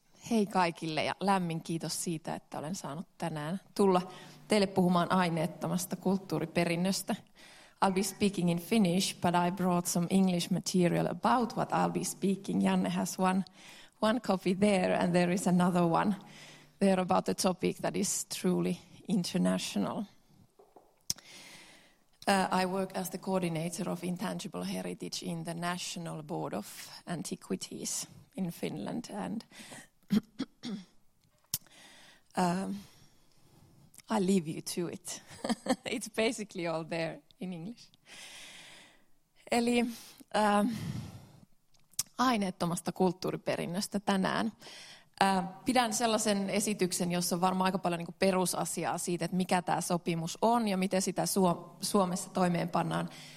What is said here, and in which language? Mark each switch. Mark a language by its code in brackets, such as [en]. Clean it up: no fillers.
[fi] Hei kaikille ja lämmin kiitos siitä, että olen saanut tänään tulla teille puhumaan aineettomasta kulttuuriperinnöstä. [en] I'll be speaking in Finnish, but I brought some English material about what I'll be speaking. Janne has one copy there and there is another one there about a topic that is truly international. I work as the coordinator of Intangible Heritage in the National Board of Antiquities in Finland and I leave you to it. It's basically all there in English. [fi] Eli aineettomasta kulttuuriperinnöstä tänään. Pidän sellaisen esityksen, jossa on varmaan aika paljon niinku perusasiaa siitä, että mikä tämä sopimus on ja miten sitä Suomessa toimeenpannaan.